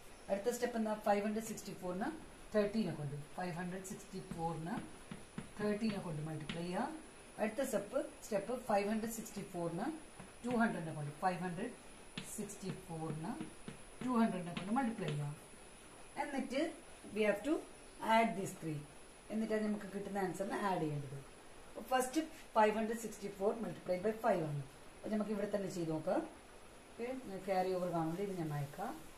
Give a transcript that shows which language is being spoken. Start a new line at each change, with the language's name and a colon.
Malayalam: അടുത്ത സ്റ്റെപ്പ് എന്താ, 564 13 കൊണ്ട് 564 13 കൊണ്ട് മൾട്ടിപ്ലൈ ചെയ്യാം. അടുത്ത സ്റ്റെപ്പ് 564 200 കൊണ്ട് 564 200 കൊണ്ട് മൾട്ടിപ്ലൈ ചെയ്യാം. എന്നിട്ട്
English: We have to add these three.
Malayalam: എന്നിട്ട് നമുക്ക് കിട്ടുന്ന ആൻസറിന് ആഡ് ചെയ്യേണ്ടത്.
English: First 564 multiplied by 5 ആണ്.
Malayalam: അപ്പോൾ നമുക്ക് ഇവിടെ തന്നെ ചെയ്ത് നോക്കാം. ഓക്കെ, ഞാൻ ക്യാരി ഓവർ കാണുന്നുണ്ട്, ഇത് ഞാൻ അയക്കാം.